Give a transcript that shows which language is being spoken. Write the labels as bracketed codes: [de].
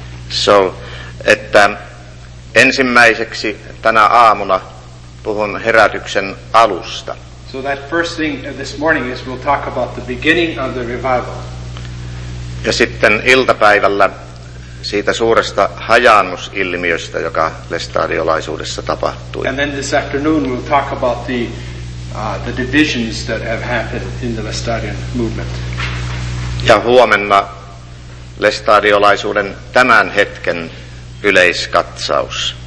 [fi] So, että ensimmäiseksi tänä aamuna puhun herätyksen alusta. [en] So that first thing this morning is we'll talk about the beginning of the revival. [fi] Ja sitten iltapäivällä siitä suuresta hajaannusilmiöstä, joka lestadiolaisuudessa tapahtui. [en] And then this afternoon we'll talk about the divisions that have happened in the Lestadian movement. [fi] Ja huomenna lestadiolaisuuden tämän hetken yleiskatsaus.